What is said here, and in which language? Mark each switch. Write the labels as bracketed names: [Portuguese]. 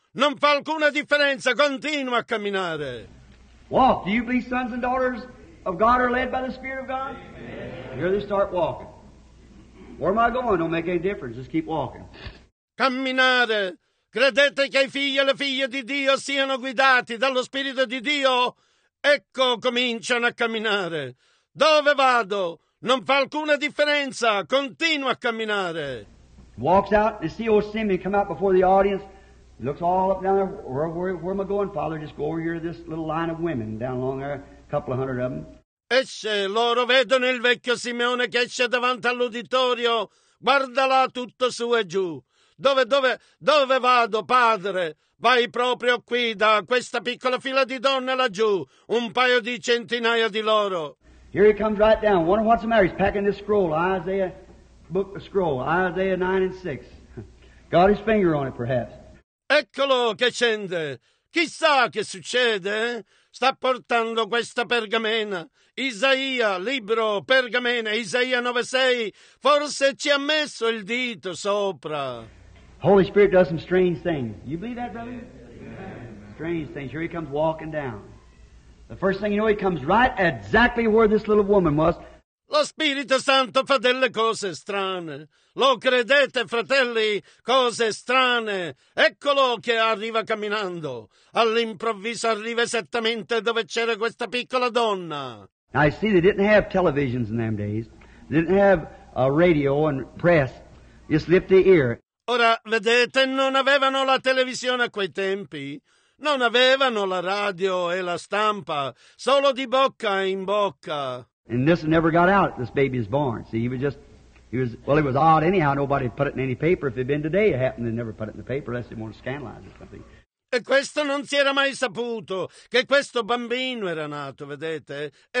[Italian] Non fa alcuna differenza, continua a camminare. [English] Walk. Do you believe sons and daughters of God are led by the Spirit of God? Amen. Here they start walking. Where am I going? Don't make any difference. Just keep walking. [Italian] Camminare. Credete che i figli e le figlie di Dio siano guidati dallo Spirito di Dio? Ecco, cominciano a camminare. Dove vado? Non fa alcuna differenza, continua a camminare. [English] Walks out to see old Simeon come out before the audience. He looks all up down there. Where am I going, Father? Just go over here to this little line of women down along there, a couple of hundred of them. [Italian] Esce, loro vedono il vecchio Simeone che esce davanti all'uditorio. Guarda là tutto su e giù. Dove vado, Padre? Vai proprio qui, da questa piccola fila di donne laggiù. Un paio di centinaia di loro. [English] Here he comes right down. Wonder what's the matter. He's packing this scroll, Isaiah. Book a scroll, Isaiah 9 and 6. Got his finger on it, perhaps. [Italian] Eccolo che scende. Chissà che succede. Sta portando questa pergamena. Isaia, libro, pergamena, Isaia 9:6. Forse ci ha messo il dito sopra. [English] Holy Spirit does some strange things. You believe that, brother? Amen. Strange things. Here he comes walking down. The first thing you know, he comes right exactly where this little woman was. [Italian] Lo Spirito Santo fa delle cose strane. Lo credete, fratelli? Cose strane. Eccolo che arriva camminando. All'improvviso arriva esattamente dove c'era questa piccola donna. [English] I see they didn't have televisions in them days. They didn't have a radio and press. Just lift the ear. [Italian] Ora, vedete, non avevano la televisione a quei tempi. Non avevano la radio e la stampa. Solo di bocca in bocca. [English] And this never got out, this baby is born. See, it was odd anyhow. Nobody put it in any paper. If it had been today, it happened, they never put it in the paper, unless they wanted to scandalize or something. [Italian] E questo non si era mai saputo, che questo bambino era nato, vedete?